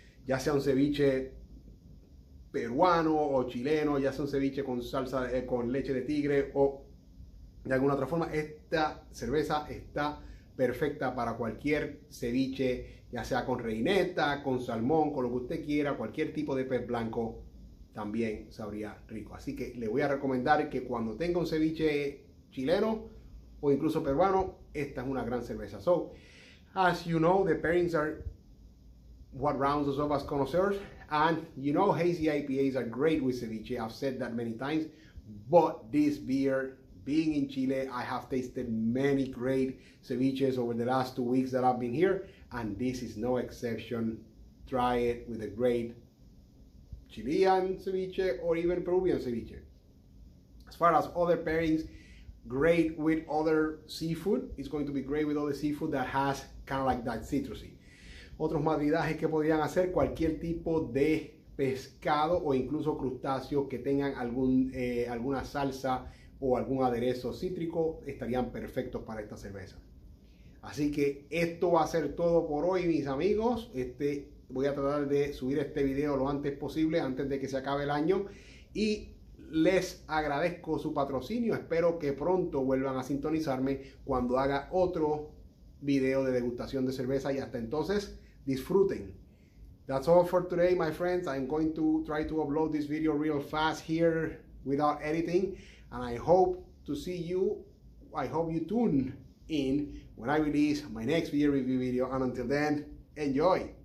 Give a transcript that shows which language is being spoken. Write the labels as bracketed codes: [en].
[es] Ya sea un ceviche peruano o chileno, ya sea un ceviche con salsa, con leche de tigre o de alguna otra forma, esta cerveza está perfecta para cualquier ceviche, ya sea con reineta, con salmón, con lo que usted quiera, cualquier tipo de pez blanco también sabría rico. Así que le voy a recomendar que cuando tenga un ceviche chileno o incluso peruano, esta es una gran cerveza. [en] So, as you know, the pairings are what rounds us up as connoisseurs. And you know, hazy IPAs are great with ceviche. I've said that many times. But this beer, being in Chile, I have tasted many great ceviches over the last 2 weeks that I've been here. And this is no exception. Try it with a great Chilean ceviche or even Peruvian ceviche. As far as other pairings, great with other seafood. It's going to be great with other seafood that has kind of like that citrusy. [es] Otros madridajes que podrían hacer, cualquier tipo de pescado o incluso crustáceos que tengan alguna salsa o algún aderezo cítrico estarían perfectos para esta cerveza. Así que esto va a ser todo por hoy, mis amigos. Voy a tratar de subir este video lo antes posible, antes de que se acabe el año. Y les agradezco su patrocinio. Espero que pronto vuelvan a sintonizarme cuando haga otro video de degustación de cerveza. Y hasta entonces, disfruten. [en] That's all for today, my friends. I'm going to try to upload this video real fast here without editing. And I hope to see you. I hope you tune in when I release my next beer review video. And until then, enjoy.